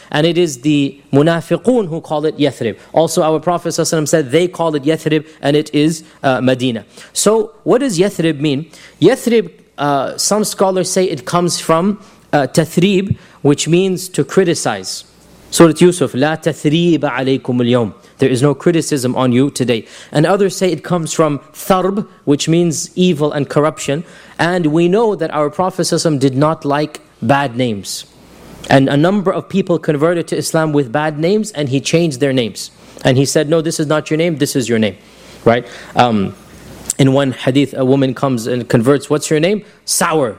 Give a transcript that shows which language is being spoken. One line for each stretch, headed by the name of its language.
English: And it is the munafiqun who call it Yathrib. Also our Prophet ﷺ said they call it Yathrib, and it is Medina. So what does Yathrib mean? Yathrib, some scholars say it comes from Tathrib, which means to criticize.
Arabic: Surah Yusuf, لا تثريب عليكم اليوم.
English: There is no criticism on you today. And others say it comes from Tharb, which means evil and corruption. And we know that our Prophet ﷺ did not like bad names. And a number of people converted to Islam with bad names, and he changed their names. And he said, no, this is not your name, this is your name. Right? In one hadith, a woman comes and converts, what's your name? Sour.